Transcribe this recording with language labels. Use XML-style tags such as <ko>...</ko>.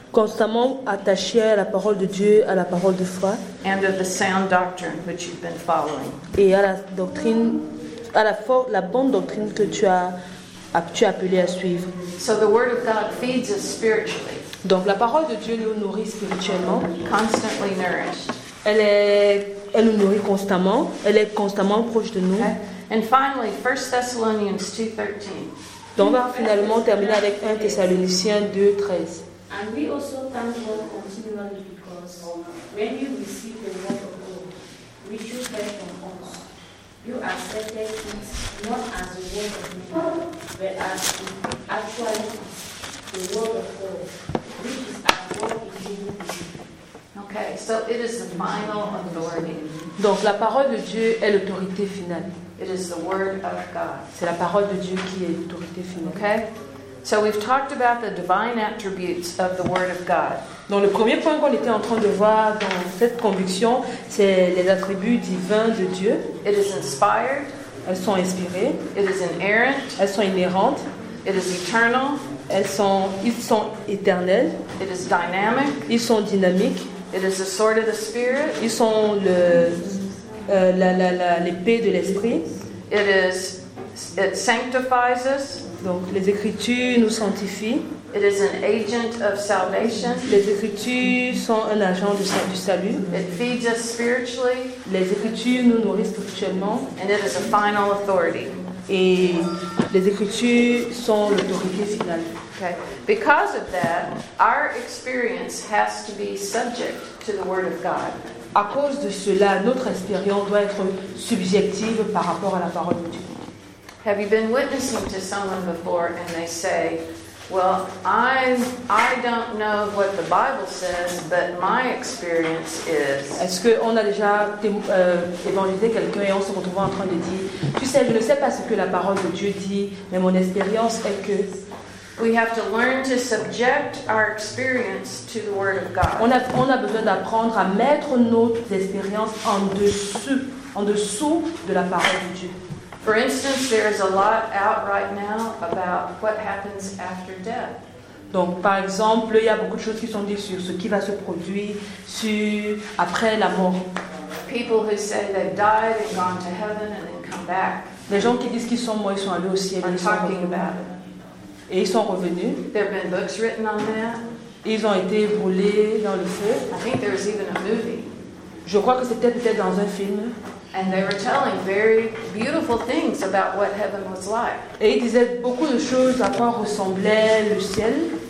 <fr>constamment attaché à la parole de Dieu, à la parole de foi,</fr> <en>and of the sound doctrine which you've been following.</en> <fr>Et à la doctrine, à la bonne doctrine que tu as appelé à suivre.</fr> <en>So the word of God feeds us spiritually.</en> <fr>Donc la parole de Dieu nous nourrit spirituellement.</fr> <en>Constantly nourished.</en> <fr>Elle nous nourrit constamment. Elle est constamment proche de nous.</fr> <en>Okay. And finally, 1 Thessalonians 2:13.</en> <fr>Donc, on va finalement terminer avec 1 Thessaloniciens 2, 13.</fr> <en>And we also thank God continually because when you receive the word of God, which you heard from us, you accepted it not as the word of God, but as actually the word of God, which is at work in you. Okay, so it is the final authority.</en> <fr>Donc, la parole de Dieu est l'autorité finale.</fr> <en>It is the word of God.</en> <fr>C'est la parole de Dieu qui est l'autorité finale.</fr> <en>Okay? So we've talked about the divine attributes of the Word of God.</en> <fr>Donc le premier point qu'on était en train de voir dans cette conviction, c'est les attributs divins de Dieu.</fr> <en>It is inspired.</en> <fr>Elles sont inspirées.</fr> <en>It is inerrant.</en> <fr>Elles sont inhérentes.</fr> <en>It is eternal.</en> <fr>Ils sont éternels.</fr> <en>It is dynamic.</en> <fr>Ils sont dynamiques.</fr> <en>It is the sword of the spirit.</en> <fr>Ils sont l'épée de l'esprit.</fr> <en>It sanctifies us.</en> <fr>Donc les Écritures nous sanctifient.</fr> <en>It is an agent of salvation.</en> <fr>Les Écritures sont un agent du salut.</fr> <en>It feeds us spiritually.</en> <fr>Les Écritures nous nourrissent spirituellement.</fr> <en>And it is a final authority.</en> <fr>Et les Écritures sont l'autorité finale.</fr> <en>Okay. Because of that, our experience has to be subject to the Word of God.</en> <fr>À cause de cela, notre expérience doit être subjective par rapport à la parole de Dieu.</fr> <en>Have you been witnessing to someone before and they say, well, I don't know what the Bible says, but my experience is.</en> <fr>Est-ce qu'on a déjà évangélisé quelqu'un et on se retrouve en train de dire, tu sais, je ne sais pas ce que la parole de Dieu dit, mais mon expérience est que.</fr> <en>We have to learn to subject our experience to the Word of God.</en> <fr>On a besoin d'apprendre à mettre notre expérience en dessous de la parole de Dieu.</fr> <en>For instance, there is a lot out right now about what happens after death.</en> <fr>Donc, par exemple, il y a beaucoup de choses qui sont dites sur ce qui va se produire après la mort.</fr> <en>People who say they've died and gone to heaven and then come back.</en> <fr>Les gens qui disent qu'ils sont morts, ils sont allés au ciel et ils sont revenus.</fr> <en>About it.</en> <fr>Et ils sont revenus.</fr> <en>There have been books written on that.</en> <fr>Ils ont été brûlés dans le feu.</fr> <en>I think there was even a movie.</en> <fr>Je crois que c'était peut-être dans un film.</fr> <en>And they were telling very beautiful things about what heaven was like.</en> <fr>Et ils disaient beaucoup de choses à quoi ressemblait le ciel.</fr>